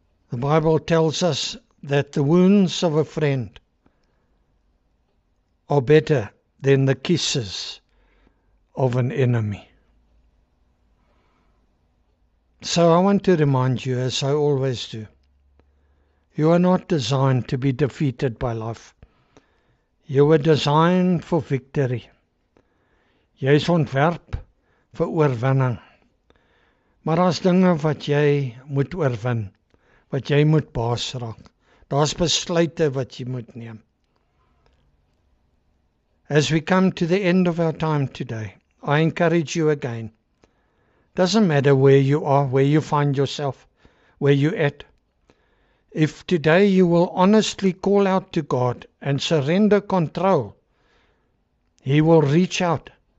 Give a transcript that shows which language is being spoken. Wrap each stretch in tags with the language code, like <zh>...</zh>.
<en>The Bible tells us that the wounds of a friend are better than the kisses of an enemy. So I want to remind you, as I always do, you are not designed to be defeated by life. You were designed for victory.</en> <af>Jy is ontwerp vir oorwinning. Maar daar's dinge wat jy moet oorwin, wat jy moet baas raak. Daar's besluite wat jy moet neem.</af> <en>As we come to the end of our time today, I encourage you again. Doesn't matter where you are, where you find yourself, where you're at. If today you will honestly call out to God and surrender control, He will reach out.</en>